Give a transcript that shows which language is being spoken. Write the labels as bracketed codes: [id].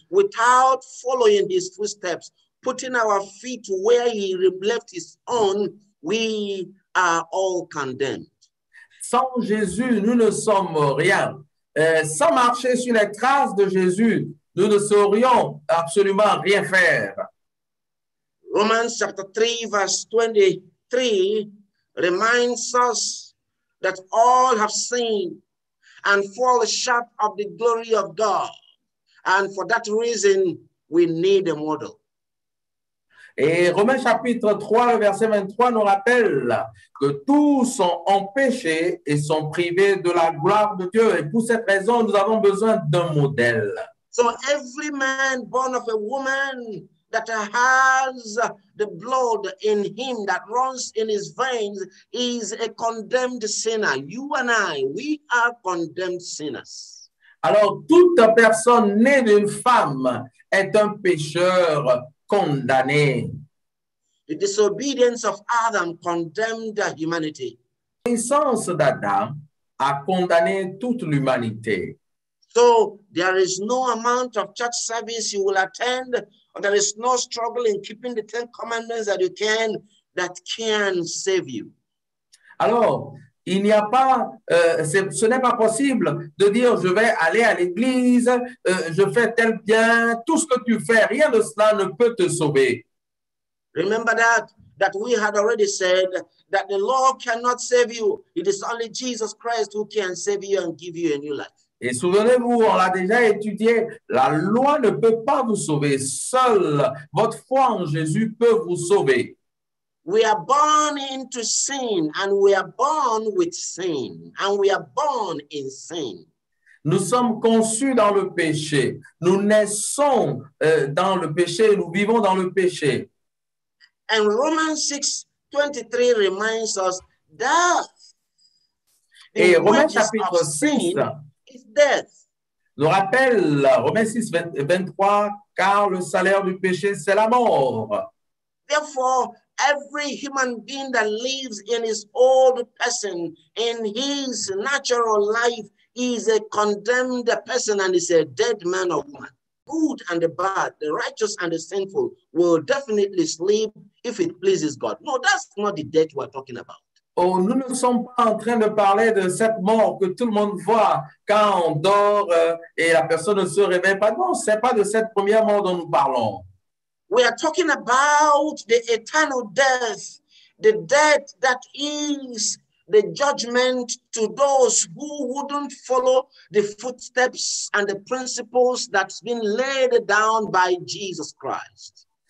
[en] Without following his footsteps, putting our feet where he left his own, we are all condemned. [fr] Sans Jésus, nous ne sommes rien. Sans marcher sur les traces de Jésus, nous ne saurions absolument rien faire. [en] Romans chapter 3, verse 23 reminds us that all have sinned and fall short of the glory of God. And for that reason, we need a model. [fr] Et Romains chapitre 3, verset 23 nous rappelle que tous ont péché et sont privés de la gloire de Dieu. Et pour cette raison, nous avons besoin d'un modèle. [en] So every man born of a woman that has the blood in him that runs in his veins is a condemned sinner. You and I, we are condemned sinners. [fr] Alors, toute personne née d'une femme est un pécheur condamné. [en] The disobedience of Adam condemned humanity. [fr] L'obéissance d'Adam a condamné toute l'humanité. [en] So there is no amount of church service you will attend, or there is no struggle in keeping the Ten Commandments that you can save you. [fr] Alors, il n'y a pas, ce n'est pas possible de dire je vais aller à l'église, je fais tel bien, tout ce que tu fais, rien de cela ne peut te sauver. [en] Remember that we had already said that the law cannot save you. It is only Jesus Christ who can save you and give you a new life. [fr] Et souvenez-vous, on l'a déjà étudié, la loi ne peut pas vous sauver. Seule votre foi en Jésus peut vous sauver. [en] We are born into sin, and we are born with sin, and we are born in sin. [fr] Nous sommes conçus dans le péché. Nous naissons dans le péché, nous vivons dans le péché. [en] And Romans 6, 23 reminds us that the wages of sin is death. [fr] Nous rappelle Romains 6, 23, car le salaire du péché, c'est la mort. [en] Therefore, every human being that lives in his old person, in his natural life, is a condemned person and is a dead man or woman. Good and the bad, the righteous and the sinful, will definitely sleep if it pleases God. No, that's not the death we're talking about. [fr] Oh, nous ne sommes pas en train de parler de cette mort que tout le monde voit quand on dort et la personne ne se réveille pas. Non, c'est pas de cette première mort dont nous parlons. [en] We are talking about the eternal death, the death that is the judgment to those who wouldn't follow the footsteps and the principles that's been laid down by Jesus Christ.